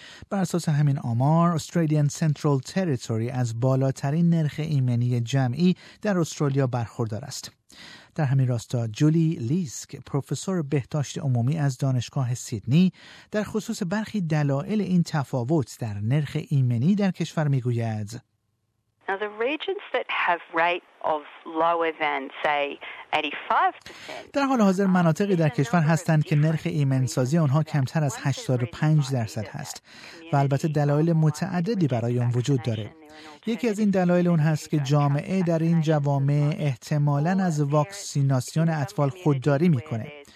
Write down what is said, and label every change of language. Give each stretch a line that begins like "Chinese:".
Persian: بر اساس همین آمار، استرالیان سنترال تریتوری از بالاترین نرخ ایمنی جمعی در استرالیا برخوردار است. در همین راستا جولی لیسک، پروفسور بهداشت عمومی از دانشگاه سیدنی، در خصوص برخی دلایل این تفاوت در نرخ ایمنی در کشور می‌گوید:
English: Now the regions that have rate of lower than say 85%.
Persian: در حال حاضر مناطقی در کشور هستند که نرخ ایمنسازی آنها کمتر از 85% هست و البته دلایل متعددی برای آن وجود داره. یکی از این دلایل اون هست که جامعه در این جوامع احتمالاً از واکسیناسیون اطفال خودداری میکنه.